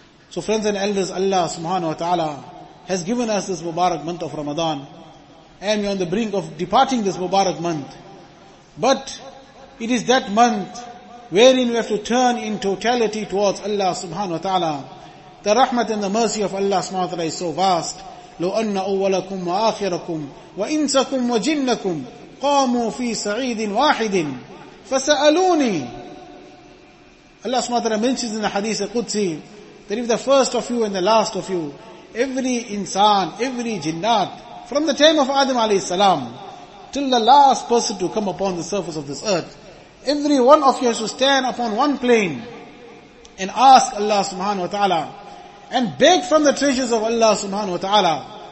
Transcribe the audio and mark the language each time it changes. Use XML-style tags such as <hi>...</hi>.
<en>So friends and elders, Allah subhanahu wa ta'ala has given us this Mubarak month of Ramadan, and we are on the brink of departing this Mubarak month. But it is that month wherein we have to turn in totality towards Allah subhanahu wa ta'ala. The rahmat and the mercy of Allah subhanahu wa ta'ala is so vast.</en> <ar>لو أن أولكم وآخركم وإنسكم وجنكم قاموا في سعيد واحد فسألوني.</ar> <en>Allah subhanahu wa ta'ala mentions in the hadith Qudsi, that if the first of you and the last of you, every insan, every jinnat, from the time of Adam alayhi salam, till the last person to come upon the surface of this earth, every one of you has to stand upon one plane and ask Allah subhanahu wa ta'ala and beg from the treasures of Allah subhanahu wa ta'ala.</en>